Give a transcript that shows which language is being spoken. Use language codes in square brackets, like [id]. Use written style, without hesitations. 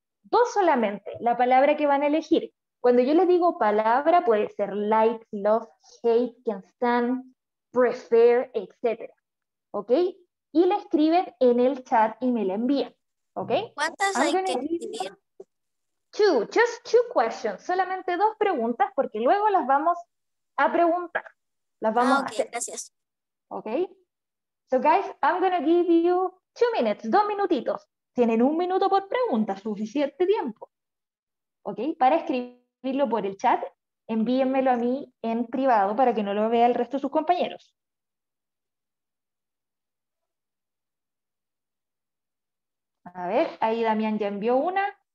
[es] Dos solamente, la palabra que van a elegir. Cuando yo les digo palabra, puede ser [en] like, love, hate, can stand, prefer, [es] etc. ¿Ok? Y la escriben en el chat y me la envían. ¿Ok? ¿Cuántas hay que escribir? [en] Just two questions. [es] Solamente dos preguntas, porque luego las vamos a preguntar. Las vamos a hacer. Gracias. Ok. [en] So guys, I'm going to give you 2 minutes, [es] 2 minutitos. Tienen 1 minuto por pregunta, suficiente tiempo. Ok. Para escribirlo por el chat, envíenmelo a mí en privado para que no lo vea el resto de sus compañeros. A ver, ahí Damián ya envió una.